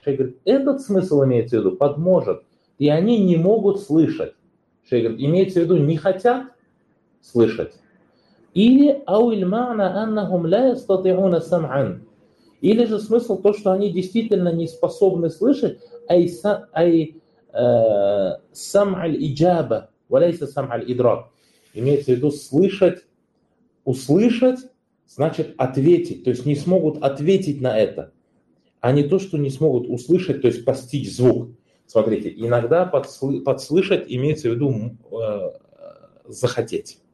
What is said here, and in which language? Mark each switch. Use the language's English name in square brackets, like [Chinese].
[Russian] Шейх говорит, этот смысл имеется в виду, под «может». И они не могут слышать. Шейх говорит, имеется в виду, не хотят слышать. Или ауль маана аннахум ля йастатигуна самъан. Или же смысл то, что они действительно не способны слышать, ай [Arabic] سمع الإجابة وليس سمع الإدراك. [Russian] Имеется в виду слышать, услышать, значит ответить, то есть не смогут ответить на это, а не то, что не смогут услышать, то есть постичь звук. Смотрите, иногда подслышать имеется в виду захотеть.